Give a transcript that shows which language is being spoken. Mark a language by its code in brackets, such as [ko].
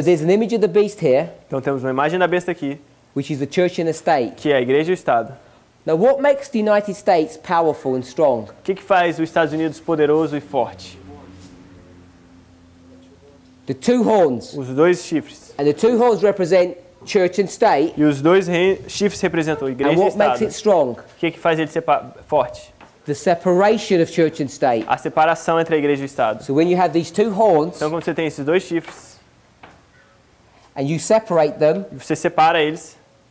[en] So there's an image of the beast here. [pt] Então temos uma imagem da besta aqui. [en] Which is the church and the state. [pt] Que é a igreja e o estado. [en] Now, what makes the United States powerful and strong? [pt] O que faz os Estados Unidos poderoso e forte? [en] The two horns. [pt] Os dois chifres. [en] And the two horns represent church and state. [pt] E os dois chifres representam igreja e estado. [en] And what makes it strong? [pt] O que faz ele ser forte? [en] The separation of church and state. [pt] A separação entre a igreja e o estado. [en] So when you have these two horns. [pt] Então, quando você tem esses dois chifres. [en] And you separate them. [pt] Você separa eles.